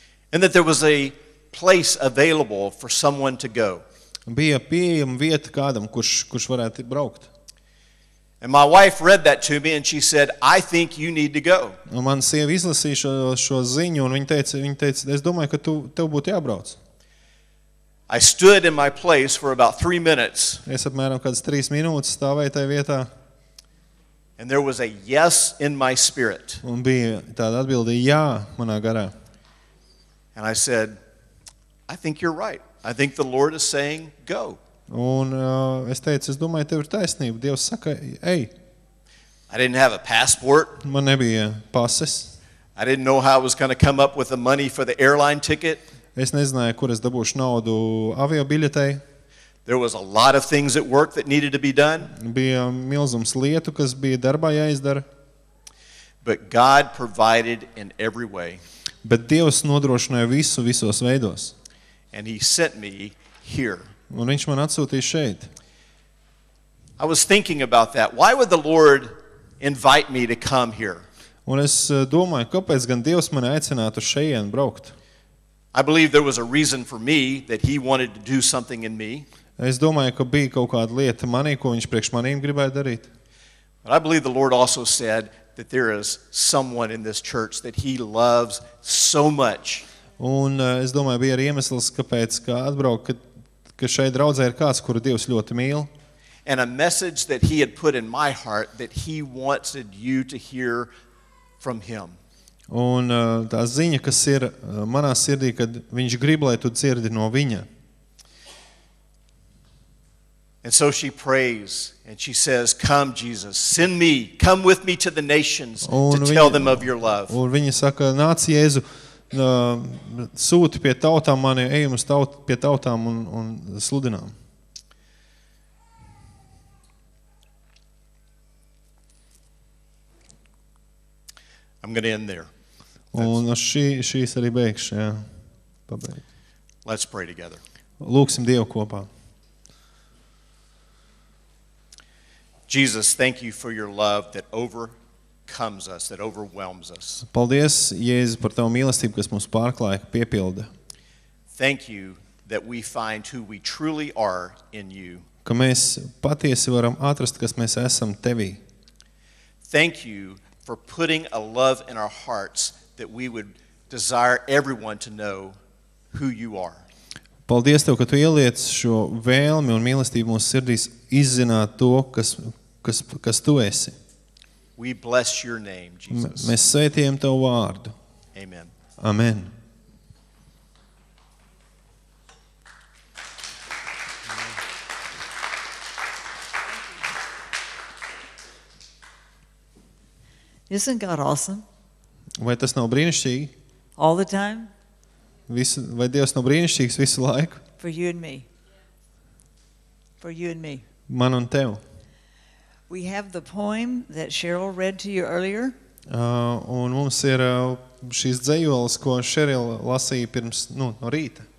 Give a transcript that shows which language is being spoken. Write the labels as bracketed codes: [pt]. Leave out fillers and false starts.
[en] And that there was a place available for someone to go. [lv] Bija pieejama vieta kādam, kurš varētu braukt. [en] And my wife read that to me and she said, I think you need to go. [lv] Un mana sieva izlasīja šo ziņu un viņa teica, es domāju, ka tev būtu jābrauc. [en] I stood in my place for about 3 minutes. [lv] Es apmēram kādas 3 minūtes stāvēju tajā vietā. [en] And there was a yes in my spirit. [lv] Un bija tāda atbilde jā manā garā. [en] And I said, I think you're right. I think the Lord is saying go. [lv] Un es teicu, es domāju, tev ir taisnība. Dievs saka, ej. [en] I didn't have a passport. [lv] Man nebija pases. [en] I didn't know how I was going to come up with the money for the airline ticket. [lv] Es nezināju, kur es dabūšu naudu avio biļetei. [en] There was a lot of things at work that needed to be done. [lv] Bija milzums lietu, kas bija darbā jāizdara. [en] But God provided in every way. [lv] Bet Dievs nodrošināja visu visos veidos. [en] And he sent me here. [lv] Un viņš man atsūtīja šeit. [en] I was thinking about that. Why would the Lord invite me to come here? [lv] Un es domāju, kāpēc gan Dievs mani aicinātu šeit braukt? [en] I believe there was a reason for me that he wanted to do something in me. [lv] Es domāju, ka bija kaut kāda lieta manī, ko viņš priekš manīm gribēja darīt. [en] But I believe the Lord also said that there is someone in this church that he loves so much. [lv] Un es domāju, bija arī iemesls, kāpēc kā atbraukt, ka šeit draudzē ir kāds, kuru Dievs ļoti mīl. [en] And a message that he had put in my heart that he wanted you to hear from him. [lv] Un tā ziņa, kas ir manā sirdī, kad viņš grib, lai tu dzirdi no viņa. [en] And so she prays and she says, "Come Jesus, send me, come with me to the nations to tell them of your love." [lv] Un viņa saka, "Nāc Jēzu, sūti pie tautām mani, ejam uz pie tautām un sludinām." [en] I'm going to end there. [lv] Un šīs arī beigš, jā, pabeig. [en] Let's pray together. [lv] Lūksim Dievu kopā. [en] Jesus, thank you for your love that overcomes us, that overwhelms us. [lv] Paldies, Jēzus, par tavu mīlestību, kas mums pārklāja, piepilda. [en] Thank you that we find who we truly are in you. [lv] Ka mēs patiesi varam atrast, kas mēs esam tevī. [en] Thank you for putting a love in our hearts that we would desire everyone to know who you are. [lv] Paldies tev, ka tu ieliec šo vēlmi un mīlestību mūsu sirdīs izzināt to, kas tu esi. [en] We bless your name, Jesus. [lv] Mēs svētījam tavu vārdu. [en] Amen. [lv] Amen. [en] Isn't God awesome? [lv] Vai tas nav brīnišķīgi? [en] All the time? [lv] Vai Dievs nav brīnišķīgs visu laiku? [en] For you and me. For you and me. [lv] Man un tev. [en] We have the poem that Cheryl read to you earlier. [lv] Un mums ir šīs dzejoles, ko Cheryl lasīja pirms, nu, no rīta.